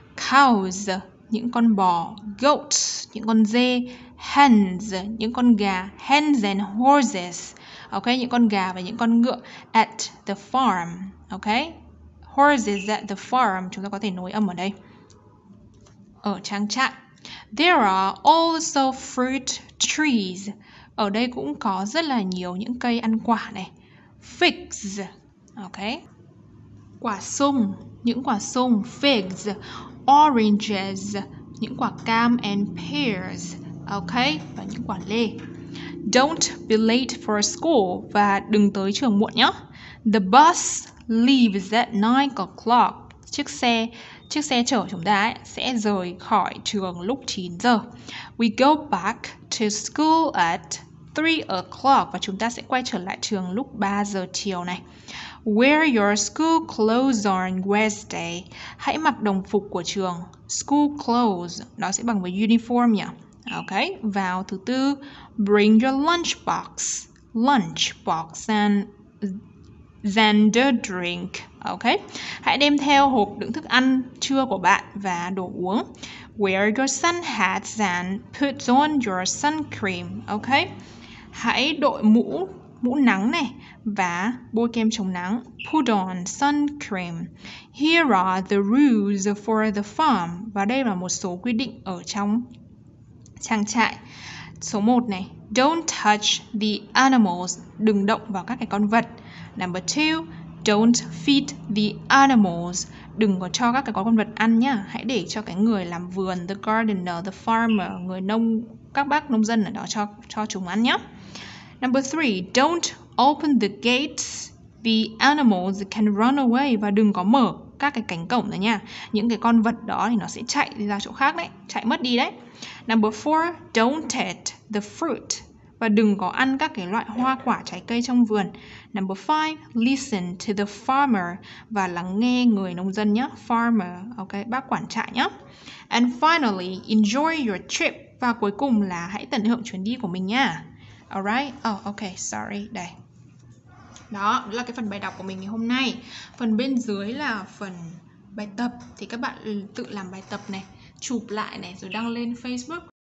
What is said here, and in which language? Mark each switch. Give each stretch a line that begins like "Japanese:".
Vietnamese: Cows, những con bò. Goats, những con dê. Hens, những con gà.
English: Hens and horses.
Vietnamese: Ok, những con gà và những con ngựa.
English: At the farm. Ok, horses at the farm.
Vietnamese: Chúng ta có thể nối âm ở đây. Ở trang trại.
English: There are also fruit trees.
Vietnamese: Ở đây cũng có rất là nhiều những cây ăn quả này. Figs. Ok. Quả sung, những quả sung. Figs. Oranges, những quả cam. And pears. Ok, và những quả lê.
English: Don't be late for school.
Vietnamese: Và đừng tới trường muộn nhé.
English: The bus leaves at 9 o'clock.
Vietnamese: Chiếc xe chở chúng ta ấy, sẽ rời khỏi trường lúc 9 giờ.
English: We go back to school at 3 o'clock.
Vietnamese: Và chúng ta sẽ quay trở lại trường lúc 3 giờ chiều này.
English: Wear your school clothes on Wednesday.
Vietnamese: Hãy mặc đồng phục của trường.
English: School clothes,
Vietnamese: nó sẽ bằng với uniform nhỉ.
English: Ok,
Vietnamese: vào thứ tư,
English: bring your lunch box. Lunch box and the drink.
Vietnamese: Ok, hãy đem theo hộp đựng thức ăn trưa của bạn và đồ uống.
English: Wear your sun hat and put on your sun cream.
Vietnamese: Ok, hãy đội mũ nắng này và bôi kem chống nắng.
English: Put on sun cream. Here are the rules for the farm.
Vietnamese: Và đây là một số quy định ở trong trang trại. Số 1 này,
English: don't touch the animals,
Vietnamese: đừng động vào các cái con vật.
English: Number 2, don't feed the animals,
Vietnamese: đừng có cho các cái con vật ăn nhá, hãy để cho cái người làm vườn,
English: the gardener, the farmer,
Vietnamese: người nông, các bác nông dân ở đó cho chúng ăn nhá.
English: Number 3, don't open the gates, the animals can run away,
Vietnamese: và đừng có mở các cái cánh cổng này nha. Những cái con vật đó thì nó sẽ chạy đi ra chỗ khác đấy, chạy mất đi đấy.
English: Number 4, don't eat the fruit.
Vietnamese: Và đừng có ăn các cái loại hoa quả trái cây trong vườn.
English: Number 5, listen to the farmer.
Vietnamese: Và lắng nghe người nông dân nhé. Farmer, ok, bác quản trại nhé.
English: And finally, enjoy your trip.
Vietnamese: Và cuối cùng là hãy tận hưởng chuyến đi của mình nha.
English: Alright, ok, sorry,
Vietnamese: đây. Đó là cái phần bài đọc của mình ngày hôm nay. Phần bên dưới là phần bài tập. Thì các bạn tự làm bài tập này, chụp lại này rồi đăng lên Facebook.